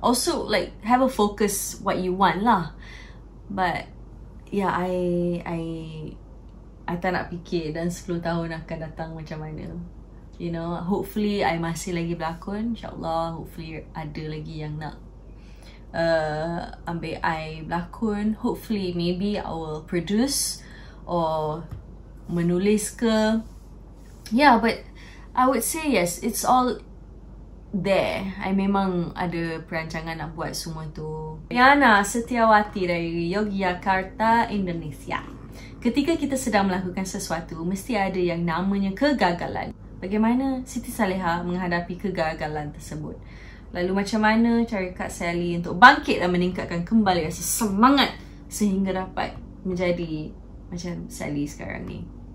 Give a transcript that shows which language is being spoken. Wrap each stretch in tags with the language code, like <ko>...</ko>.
<en>Also, like, have a focus what you want lah.</en> <ms>But yeah, I tak nak fikir dan 10 tahun akan datang macam mana.</ms> <en>You know, hopefully</en> <ms>I masih lagi berlakon. InsyaAllah,</ms> <en>hopefully</en> <ms>ada lagi yang nak ambil I berlakon.</ms> <en>Hopefully, maybe I will produce or</en> <ms>menulis ke.</ms> <en>Yeah, but I would say yes, it's all there.</en> <ms>I memang ada perancangan nak buat semua tu.</ms> <id>Yana Setiawati dari Yogyakarta, Indonesia. Ketika kita sedang melakukan sesuatu, mesti ada yang namanya kegagalan. Bagaimana Siti Saleha menghadapi kegagalan tersebut?</id> <ms>Lalu macam mana cara Kak Sally untuk bangkit dan meningkatkan kembali rasa semangat sehingga dapat menjadi macam Sally sekarang ni?</ms>